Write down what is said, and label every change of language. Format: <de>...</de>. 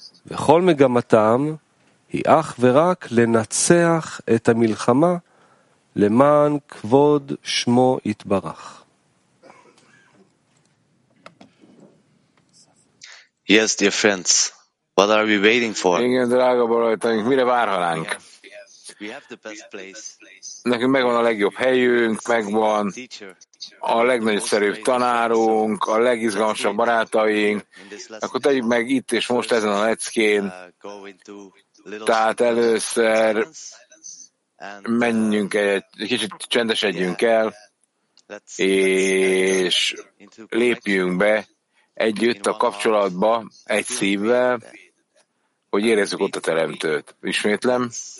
<he>וכל מגמתם היא אך ורק לנצח את המלחמה למען כבוד שמו יתברך.</he> <en>Yes, dear friends, what are we waiting for?</en> <hu>Igen, drága barátaink, mire várhatunk?</hu> <en>We have the best place.</en> <hu>Nekünk megvan a legjobb helyünk, megvan a legnagyszerűbb tanárunk, a legizgalmasabb barátaink. Akkor tegyük meg itt és most ezen a leckén. Tehát először menjünk egy kicsit csendesedjünk el, és lépjünk be együtt a kapcsolatba, egy szívvel, hogy érezzük ott a teremtőt. Ismétlem.</hu>